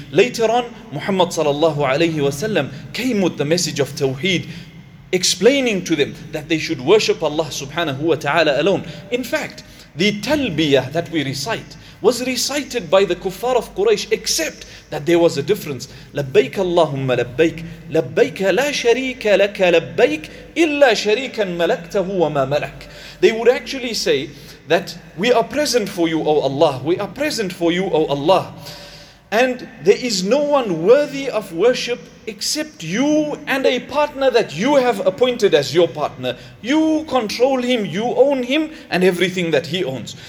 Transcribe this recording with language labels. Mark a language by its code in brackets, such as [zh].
[en] Later on, Muhammad sallallahu alayhi wa sallam came with the message of Tawheed, explaining to them that they should worship Allah subhanahu wa ta'ala alone. In fact, the Talbiyah that we recite was recited by the Kuffar of Quraysh, except that there was a difference. [ar] لبيك اللهم لبيك لبيك لا شريك لك لبيك إلا شريكا ملكته وما ملك. [en] They would actually say that we are present for you, O Allah. We are present for you, O Allah. And there is no one worthy of worship except you and a partner that you have appointed as your partner. You control him, you own him, and everything that he owns.